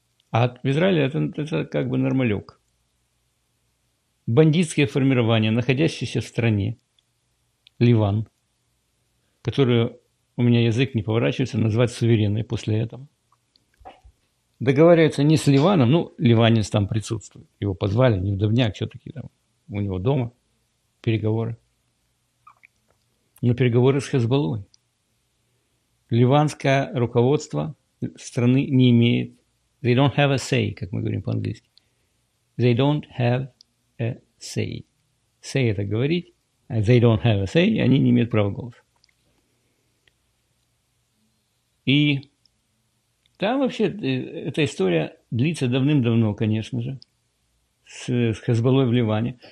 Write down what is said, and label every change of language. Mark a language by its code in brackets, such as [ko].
[ru] А в Израиле это как бы нормалек. Бандитские формирования, находящиеся в стране, Ливан, которую у меня язык не поворачивается, назвать суверенной после этого, договаривается не с Ливаном, ну, ливанец там присутствует, его позвали, не вдовняк, все-таки там у него дома переговоры. Но переговоры с Хезболлой. Ливанское руководство страны не имеет. [en] They don't have a say, [ru] как мы говорим по-английски. [en] They don't have a say. [ru] Say – это говорить. [en] They don't have a say, [ru] и они не имеют права голоса. И там вообще эта история длится давным-давно, конечно же, с Хезболлой в Ливане.